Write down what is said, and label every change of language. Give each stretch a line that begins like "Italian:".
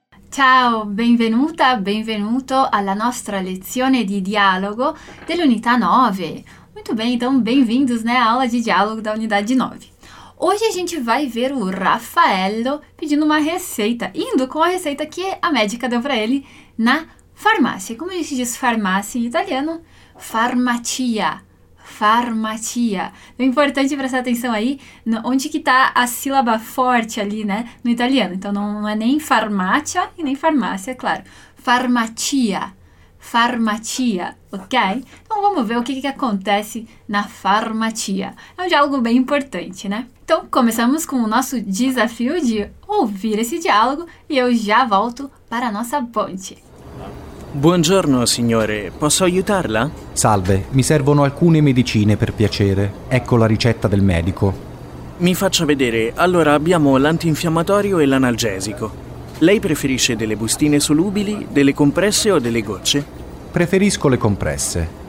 Italian: Ciao, benvenuta, benvenuto alla nostra lezione di dialogo dell'unità 9.
Portuguese: Muito bem, então, bem-vindos, né, à aula de diálogo da unidade 9. Hoje a gente vai ver o Rafaello pedindo uma receita, indo com a receita que a médica deu para ele na farmácia. Como a gente diz farmácia em italiano? Farmacia. Farmacia. É importante prestar atenção aí no, onde que tá a sílaba forte ali, né, no italiano. Então não é nem farmácia e nem farmácia, é claro. Farmacia. Farmacia, ok? Então vamos ver o que que acontece na farmacia. É um diálogo bem importante, né? Então começamos com o nosso desafio de ouvir esse diálogo e eu já volto para a nossa ponte.
Italian: Buongiorno, signore. Posso aiutarla? Salve, mi servono alcune medicine per piacere. Ecco la ricetta del medico. Mi faccia vedere. Allora, abbiamo l'antinfiammatorio e l'analgesico. Lei preferisce delle bustine solubili, delle compresse o delle gocce? Preferisco le compresse.